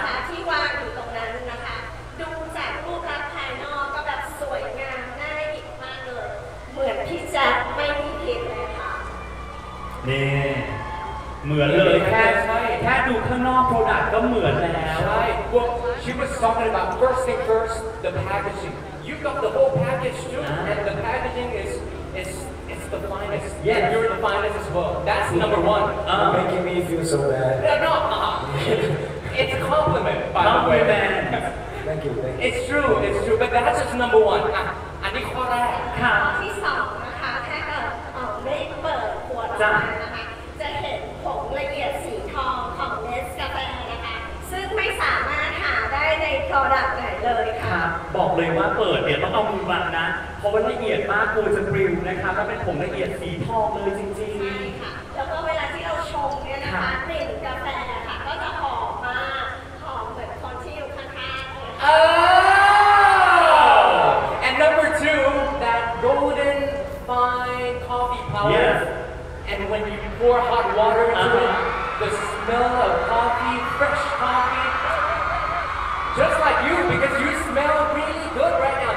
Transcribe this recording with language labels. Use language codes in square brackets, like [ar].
[th] นะคะที่วางอยู่ตรงนั้นนะคะดูจากรูปลักษณ์ภายนอกก็แบบสวยงามน่าหยิบมากเลยเหมือนพี่แจ็คไม่มีผิดเลยค่ะ นี่เหมือนเลยแค่ดูข้างนอกโปรดักต์ก็เหมือนแล้ว [en] ใช่ Well she was talking about first thing first the packaging you got the whole package too and the packaging is the finest. Yeah, you're the finest as well. That's number one. You're making me feel so bad. No. It's a compliment, by the way. Compliment. Thank you, thank you. It's true. But that's just number one. [th] อันนี้ข้อแรก ค่ะ ที่สองนะคะแค่กับเปิดขวดออกมานะคะจะเห็นผงละเอียดสีทองของเนสกาแฟนะคะซึ่งไม่สามารถหาได้ในโปรดักต์ไหนเลยค่ะ บอกเลยว่าเปิดเนี่ยต้องเอามือบังนะเพราะมันละเอียดมากกลัวจะปริวนะคะถ้าเป็นผงละเอียดสีทองเลยจริงๆ ใช่ค่ะแล้วก็เวลาที่เราชงเนี่ยนะคะกลิ่นกาแฟค่ะก็จะหอมมากหอมเหมือนคนที่อยู่ข้างๆเล [en] ย Oh and number two that golden fine coffee powder yes and when you pour hot water into it the smell of coffee fresh coffee just like you because you smell really good right